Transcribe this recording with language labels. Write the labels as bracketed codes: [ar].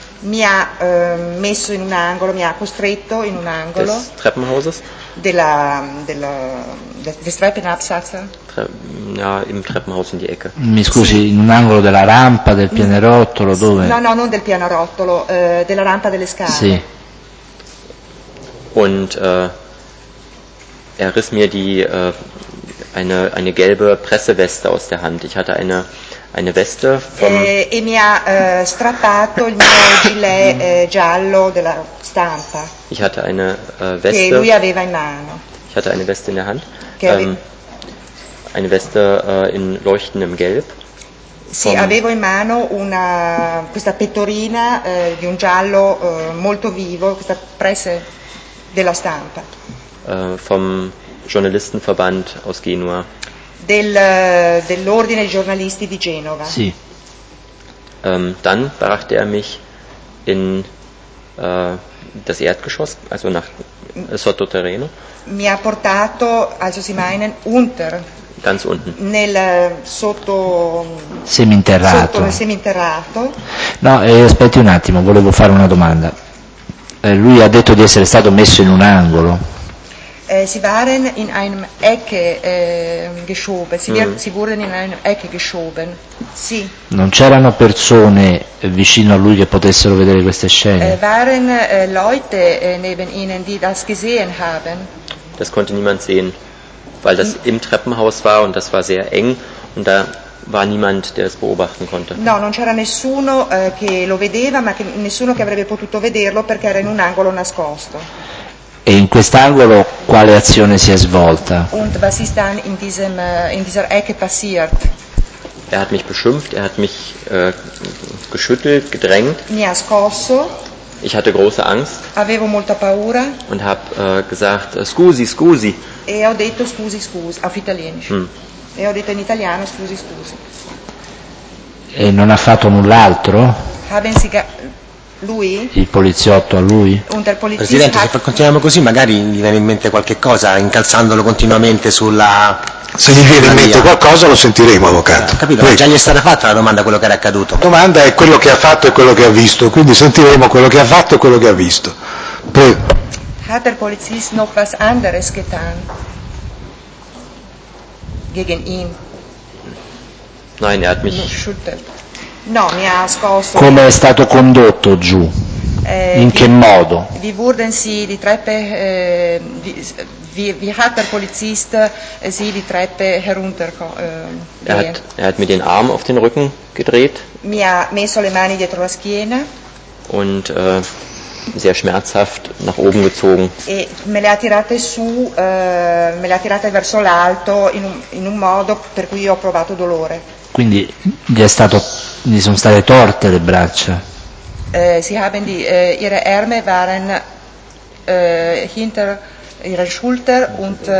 [it] Mi ha messo in un angolo, mi ha costretto in un angolo. [de] Des Treppenhauses. Des Treppenabsatz. Im Treppenhaus in die Ecke. [it] Mi scusi, sì. In un angolo della rampa, del pianerottolo, sì. Dove? No, non del pianerottolo, della rampa delle scale. Sì. [de] Und riss mir die eine gelbe Presseweste aus der Hand. Ich hatte eine Weste vom [it] e mi ha strappato il mio gilet giallo della stampa. [de] Ich hatte eine Weste. [it] Che lui aveva in mano. [de] Ich hatte eine Weste in der Hand. Eine Weste in leuchtendem Gelb. [it] Sì, avevo in mano questa pettorina di un giallo molto vivo, questa presse della stampa. [de] Vom Journalistenverband aus Genua. [it] Dell'Ordine dei giornalisti di Genova. Sì. [de] Dann brachte mich in das Erdgeschoss, also nach Sottoterreno. [it] Mi ha portato, [de] also Sie meinen, unter. Ganz unten. [it] Nel sotto. Seminterrato. Sotto nel seminterrato. No, aspetti un attimo, volevo fare una domanda. Lui ha detto di essere stato messo in un angolo. [de] Sie waren in einem Ecke geschoben. Sie wurden in einem Ecke geschoben. [it] Sì. Non c'erano persone vicino a lui che potessero vedere queste scene. [de] Waren Leute neben ihnen, die das gesehen haben. Das konnte niemand sehen, weil das im Treppenhaus war und das war sehr eng und da war niemand, der es beobachten konnte. [it] No, non c'era nessuno che lo vedeva, ma nessuno che avrebbe potuto vederlo perché era in un angolo nascosto. E in quest'angolo quale azione si è svolta? [de] Und was ist dann in dieser Ecke passiert? Er hat mich beschimpft, er hat mich geschüttelt, gedrängt. [it] Mi ha scosso. [de] Ich hatte große Angst. [it] Avevo molta paura. [de] Und habe gesagt, [it] scusi, scusi. E ho detto scusi, scusi, [de] auf italienisch. [it] E ho detto in italiano scusi, scusi. E non ha fatto null'altro? [de] Haben Sie lui? [it] Il poliziotto a lui? Presidente, se continuiamo così magari gli viene in mente qualche cosa incalzandolo continuamente sulla... Se gli viene in mente qualcosa lo sentiremo, avvocato. Capito, già gli è stata fatta la domanda, quello che era accaduto. La domanda è quello che ha fatto e quello che ha visto, quindi sentiremo quello che ha fatto e quello che ha visto. [de] Hat der Polizist noch was anderes getan? Gegen ihn? Nein, er hat mich... [it] No, mi ha scosso. Come è stato condotto giù? In che modo? [de] Wie wurden Sie die Treppe wie hat der Polizist Sie die Treppe herunter Er hat mir den Arm auf den Rücken gedreht. [it] Mi ha messo le mani dietro la schiena. [de] Und sehr schmerzhaft nach oben gezogen. [it] E me le ha tirate su, me le ha tirate verso l'alto in un modo per cui io ho provato dolore. Quindi gli è stato gli sono state torte le braccia. [de] Sie haben ihre Arme waren hinter ihre Schulter und